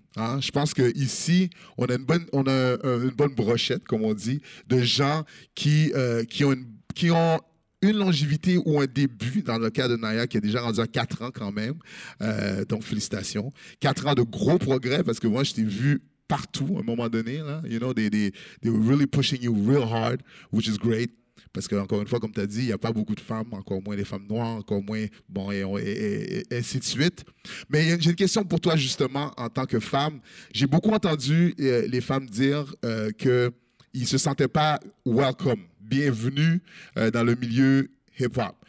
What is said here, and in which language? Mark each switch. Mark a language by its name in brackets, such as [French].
[French] Hein, je pense qu'ici, on a une bonne brochette, comme on dit, de gens qui ont une longévité ou un début, dans le cas de Naya, qui est déjà rendu à 4 ans quand même. Donc, félicitations. 4 ans de gros progrès, parce que moi, je t'ai vu partout à un moment donné. [English] Là, you know, they were really pushing you real hard, which is great. [French] Parce que encore une fois, comme tu as dit, il n'y a pas beaucoup de femmes, encore moins les femmes noires, encore moins, bon, et ainsi de suite. Mais j'ai une question pour toi, justement, en tant que femme. J'ai beaucoup entendu les femmes dire qu'ils ne se sentaient pas « welcome », bienvenue dans le milieu hip-hop.